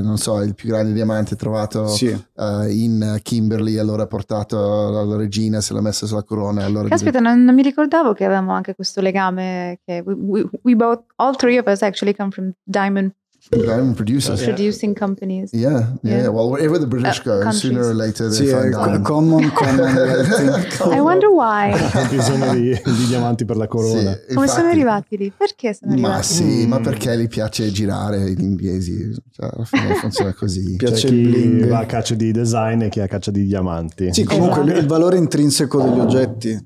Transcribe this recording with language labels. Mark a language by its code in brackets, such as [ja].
[it] Non so, il più grande diamante trovato in Kimberley, allora portato alla regina, se l'ha messa sulla corona. Allora caspita, non mi ricordavo che avevamo anche questo legame, che [en] we both, all three of us actually come from diamond. Diamond producers. Producing companies. Yeah. Well, wherever the British go, countries. Sooner or later they find diamond. Common. I wonder why. [it] Bisogno di diamanti per la corona. Sì, come infatti, sono arrivati lì? Perché sono arrivati? Ma sì, ma perché gli piace girare gli inglesi? Cioè, funziona così. Piace cioè, chi va a caccia di design e chi a caccia di diamanti. Sì, comunque il valore intrinseco degli oggetti.